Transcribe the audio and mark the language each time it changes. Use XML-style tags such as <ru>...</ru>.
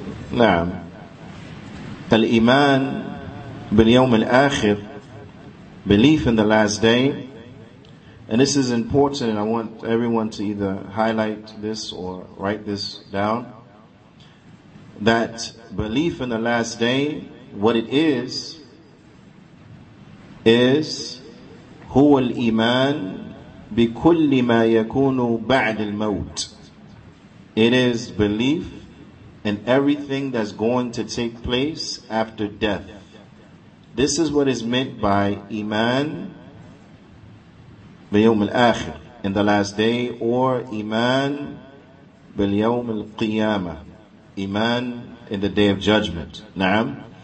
<en>نعم. Al-Iman Bil-Yawm Al-Akhir, belief in the last day. And this is important, and I want everyone to either highlight this or write this down. That belief in the last day, what it is</en> <ar>هو الإيمان بكل ما يكون بعد الموت.</ar> <en>It is belief and everything that's going to take place after death. This is what is meant by Iman</en> <ar>بِالْيَوْمِ الْآخِرِ</ar> <en>in the last day, or Iman</en> <ar>بِالْيَوْمِ الْقِيَامَةِ</ar> <en>Iman in the day of judgment. Naam.</en>